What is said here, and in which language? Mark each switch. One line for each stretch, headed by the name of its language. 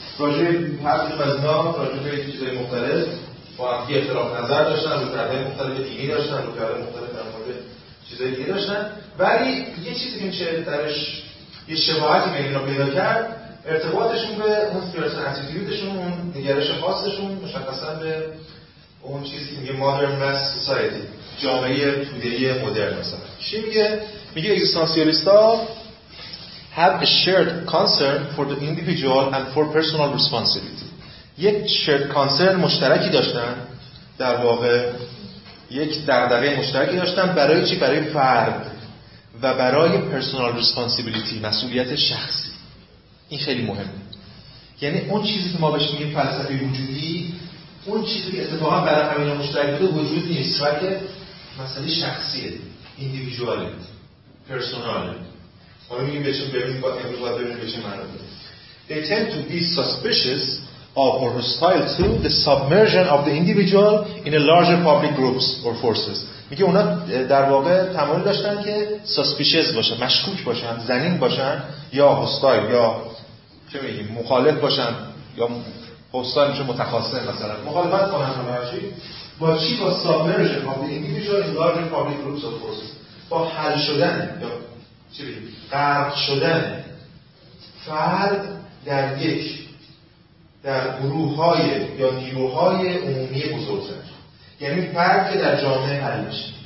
Persian: راجع به هر چیزی از اینا راجع به چیزهای مختلف با هم یه اختلاف نظر داشتن، نظرهای مختلف دینی داشتن، نظرهای مختلف در مورد چیزهای دیگه داشتن، ولی یه چیزی که میشه درش یه شباهتی بین اینا پیدا کرد ارتباطشون به اون سیاست اتیتیودشون، اون نگرش خاصشون مشخصا به اون چیزی که میگه مدرن ماس سوسایتی، جامعه توده‌ای مدرن. مثلا چی میگه؟ میگه اگزیستانسیالیست‌ها
English: have a shared concern for the individual and for personal responsibility.
Persian: یک شرد کانسرن مشترکی داشتن، در واقع یک دغدغه مشترکی داشتن. برای چی؟ برای فرد و برای پرسونال ریسپانسیبیلیتی، مسئولیت شخصی. این خیلی مهمه. یعنی اون چیزی که ما بهش میگیم فلسفه وجودی، اون چیزی که اتفاقا برای همین مشترکی تو وجود نیست، بلکه مسئله شخصیه، ایندیویدواله، پرسوناله. ما میگیم بهشون ببینیم با امروز باید ببینیم بهشون مرده.
English: They tend to be suspicious of or hostile to the submersion of the individual in a larger public groups or forces.
Persian: میگه اونا در واقع تمایل داشتن که suspicious باشن، مشکوک باشن، زنین باشن یا hostile یا چه میگیم مخالف باشن یا hostile میشه متخاصم مثلا مخالفت کنن با چی؟ با چی؟ با
English: submersion of the individual in larger public groups or forces،
Persian: با حل شدن یا چه میگیم غرق شدن فرد در یک در گروه های یا نیروهای عمومی بزرگتر، یعنی فرد که در جامعه حل میشه.